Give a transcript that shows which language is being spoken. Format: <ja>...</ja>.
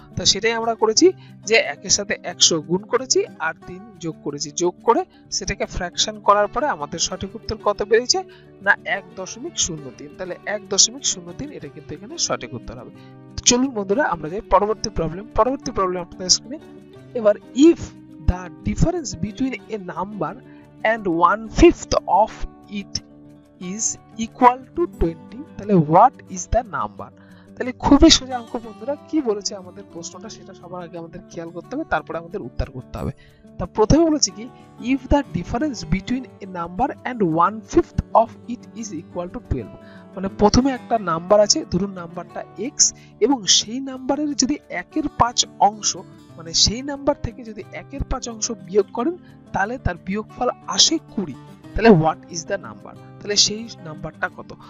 <bn>তা সেটাই আমরা করেছি, যে একের সাথে 100 গুণ করেছি আর 3 যোগ করেছি, যোগ করে সেটাকে ফ্র্যাকশন করার পরে আমাদের সঠিক উত্তর কত বেরিয়েছে, না 1.03, তাহলে 1.03 এটা কিন্তু এখানে সঠিক উত্তর হবে। চলুন বন্ধুরা আমরা যাই পরবর্তী প্রবলেম, পরবর্তী প্রবলেম আপনাদের স্ক্রিনে।</bn> <en>এবার if the difference between a number and 1/5 of it is equal to 20, তাহলে what is the number?</en> <bn>তাহলে খুবই সোজা অঙ্ক বন্ধুরা, কি বলেছে আমাদের প্রশ্নটা সেটা সবার আগে আমাদের খেয়াল করতে হবে, তারপরে আমাদের উত্তর করতে হবে। তা প্রথমে বলেছে কি,</bn> <en>if the difference between a number and 1/5 of it is equal to 12,</en> <bn>মানে প্রথমে একটা নাম্বার আছে, ধরুন নাম্বারটা x, এবং সেই নাম্বারের যদি 1/5 অংশ, মানে সেই নাম্বার থেকে যদি 1/5 অংশ বিয়োগ করেন, তাহলে তার বিয়োগফল আসে 20, তাহলে</bn> <en>what is the number,</en> <bn>তাহলে সেই নাম্বারটা কত।</bn>